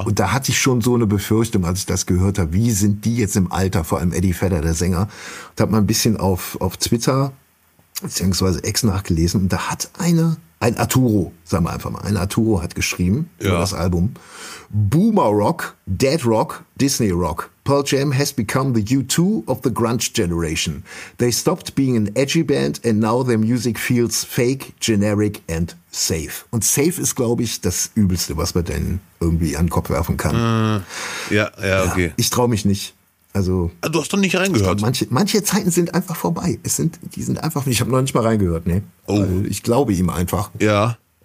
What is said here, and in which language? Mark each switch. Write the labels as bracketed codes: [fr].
[de] Und da hatte ich schon so eine Befürchtung, als ich das gehört habe, wie sind die jetzt im Alter, vor allem Eddie Vedder, der Sänger. Da hat man ein bisschen auf Twitter bzw. Ex nachgelesen und da hat ein Arturo hat geschrieben, ja, über das Album, Boomer Rock, Dead Rock, Disney Rock. [en] Pearl Jam has become the U2 of the grunge generation. They stopped being an edgy band and now their music feels fake, generic and safe. [de] Und safe ist, glaube ich, das Übelste, was man denn irgendwie an den Kopf werfen kann. Okay. Ich traue mich nicht. Also, du hast doch nicht reingehört. Manche Zeiten sind einfach vorbei. Ich habe noch nicht mal reingehört, ne? Oh. Ich glaube ihm einfach. Ja.